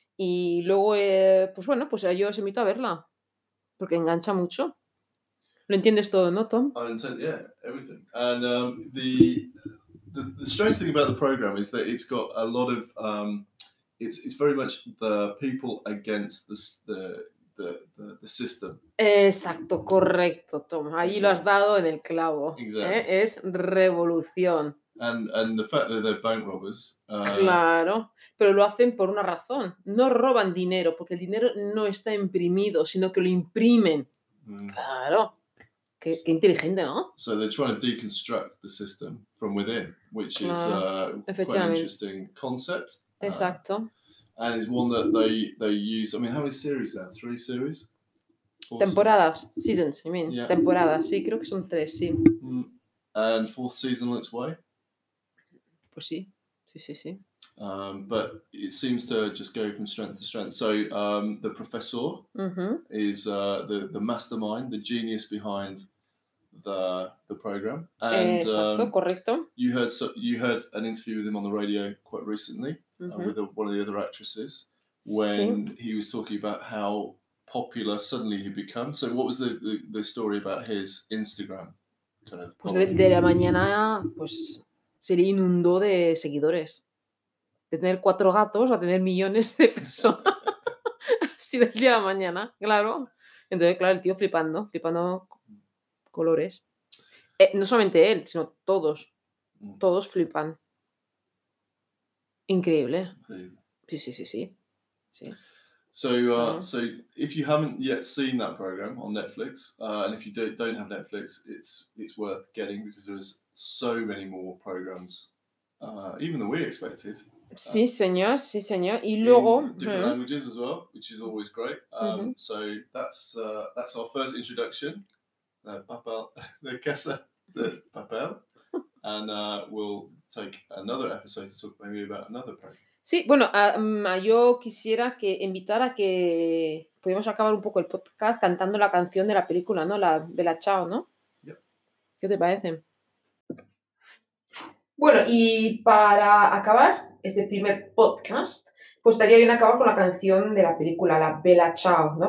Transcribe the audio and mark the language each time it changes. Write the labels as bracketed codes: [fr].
[es] Y luego, pues yo os invito a verla porque engancha mucho. Lo entiendes todo, ¿no, Tom? [en] Everything. And the strange thing about the program is that it's got a lot of it's very much the people against the system. [es] Exacto, correcto, Tom. Ahí lo has dado en el clavo. [en] Exactly. [es] Es revolución. [en] And the fact that they're bank robbers. [es] Claro, pero lo hacen por una razón. No roban dinero porque el dinero no está imprimido, sino que lo imprimen. Claro. Qué inteligente, ¿no? [en] So they're trying to deconstruct the system from within, which is quite an interesting concept. [es] Exacto. [en] And it's one that they use. I mean, how many series are there? Three series? [es] Temporadas. [en] Seasons, you mean? Yeah. [es] Temporadas. Sí, creo que son tres, sí. [en] And fourth season on its way? [es] Pues sí. Sí. [en] But it seems to just go from strength to strength. So the professor is the mastermind, the genius behind the program. [es] And, exacto, correcto. [en] You heard an interview with him on the radio quite recently with one of the other actresses when he was talking about how popular suddenly he'd become. So what was the story about his Instagram kind of? [es] Pues de la mañana, pues se le inundó de seguidores. De tener cuatro gatos a tener millones de personas. Así del día a la mañana, claro. Entonces, claro, el tío flipando colores. No solamente él, sino todos. Todos flipan. Increíble. Sí. [en] So if you haven't yet seen that program on Netflix, and if you don't have Netflix, it's worth getting because there's so many more programs, even than we expected. [es] Sí, señor. Y luego... [en] Different languages as well, which is always great. So that's our first introduction. La Casa de Papel. And we'll take another episode to talk maybe about another program. [es] Sí, bueno, yo quisiera que invitar a que podíamos acabar un poco el podcast cantando la canción de la película, ¿no? La de la Chao, ¿no? [en] Yeah. [es] ¿Qué te parece? Bueno, y para acabar este primer podcast, pues estaría bien acabar con la canción de la película, la Bella Ciao, ¿no?